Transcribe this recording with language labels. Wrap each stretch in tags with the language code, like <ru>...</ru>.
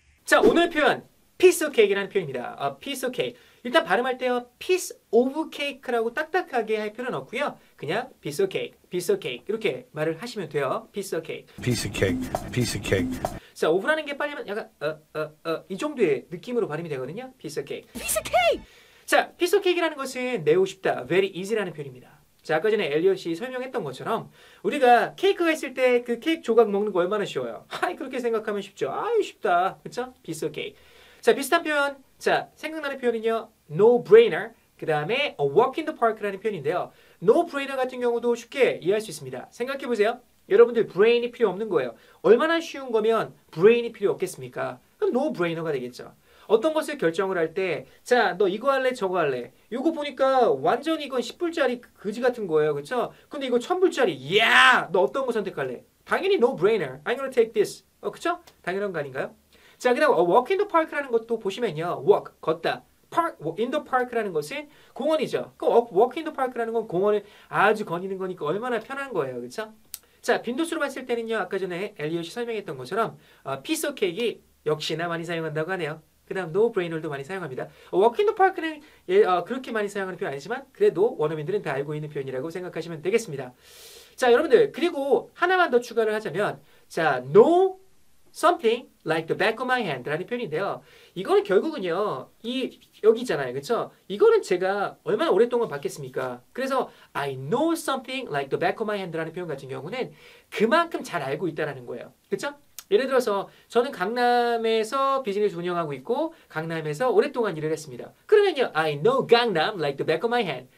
<ko>자, 오늘 표현,</ko> <en>piece of cake</en> <ko>이라는 표현입니다.</ko> <en>A piece of cake.</en> <ko>일단 발음할 때요, piece of cake라고 딱딱하게 할 필요는 없고요. 그냥 piece of cake, piece of cake 이렇게 말을 하시면 돼요.</ko> <en>Piece of cake. Piece of cake, piece of cake.</en> <ko>자, of라는 게 빨리면 약간 이 정도의 느낌으로 발음이 되거든요.</ko> <en>Piece of cake. Piece of cake!</en> <ko>자, piece of cake이라는 것은 매우 쉽다,</ko> <en>very easy</en> <ko>라는 표현입니다. 자, 아까 전에 엘리엇이 설명했던 것처럼 우리가 케이크가 있을 때 그 케이크 조각 먹는 거 얼마나 쉬워요? 하이, 그렇게 생각하면 쉽죠. 아유, 쉽다. 그쵸?</ko> <en>Piece of cake.</en> <ko>자, 비슷한 표현. 자, 생각나는 표현은요.</ko> <en>No brainer.</en> <ko>그 다음에</ko> <en>a walk in the park</en> <ko>라는 표현인데요. No brainer 같은 경우도 쉽게 이해할 수 있습니다. 생각해보세요. 여러분들 brain이 필요 없는 거예요. 얼마나 쉬운 거면 brain이 필요 없겠습니까? 그럼 no brainer가 되겠죠. 어떤 것을 결정을 할 때, 자, 너 이거 할래, 저거 할래. 이거 보니까 완전 이건 10불짜리 그지 같은 거예요, 그쵸? 근데 이거 1000불짜리, 야! 너 어떤 거 선택할래?</ko> <en>당연히 no brainer. I'm gonna take this.</en> <ko>그쵸? 당연한 거 아닌가요? 자, 그 다음, walk in the park라는 것도 보시면요. walk, 걷다. park, in the park라는 것은 공원이죠. 그</ko> <en>walk in the park</en> <ko>라는 건 공원을 아주 거니는 거니까 얼마나 편한 거예요, 그쵸? 자, 빈도수로 봤을 때는요. 아까 전에 엘리엇이 설명했던 것처럼, piece of cake이 역시나 많이 사용한다고 하네요. 그 다음 노브레이너도 많이 사용합니다. 워킹더 파크는 그렇게 많이 사용하는 표현 아니지만 그래도 원어민들은 다 알고 있는 표현이라고 생각하시면 되겠습니다. 자, 여러분들 그리고 하나만 더 추가를 하자면 자,</ko> <en>know something like the back of my hand</en> <ko>라는 표현인데요. 이거는 결국은요. 이 여기 있잖아요. 그렇죠? 이거는 제가 얼마나 오랫동안 봤겠습니까? 그래서</ko> <en>I know something like the back of my hand</en> <ko>라는 표현 같은 경우는 그만큼 잘 알고 있다는 거예요. 그렇죠? 예를 들어서 저는 강남에서 비즈니스 운영하고 있고 강남에서 오랫동안 일을 했습니다. 그러면요,</ko> <en>I know Gangnam like the back of my hand.</en>